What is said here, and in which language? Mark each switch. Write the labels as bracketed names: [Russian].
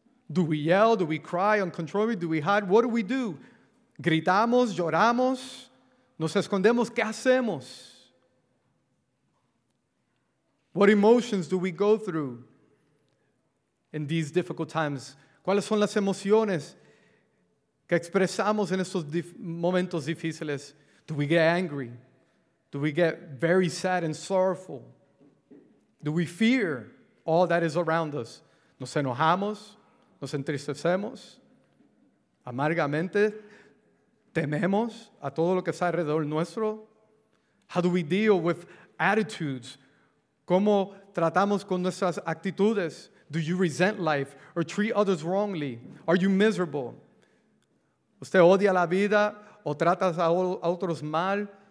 [English] Do we yell? Do we cry uncontrollably? Do we hide? What do? [Spanish] ¿Gritamos? ¿Lloramos? ¿Nos escondemos? ¿Qué hacemos? [English] What emotions do we go through in these difficult times? [Spanish] ¿Cuáles son las emociones que expresamos en estos momentos difíciles? [English] Do we get angry? Do we get very sad and sorrowful? Do we fear all that is around us? [Spanish] ¿Nos enojamos? ¿Nos entristecemos? ¿Amargamente tememos a todo lo que está alrededor nuestro? [English] How do we deal with attitudes? [Spanish] ¿Cómo tratamos con nuestras actitudes? [English] Do you resent life or treat others wrongly? Are you miserable? [Spanish] ¿Usted odia la vida o tratas a otros mal?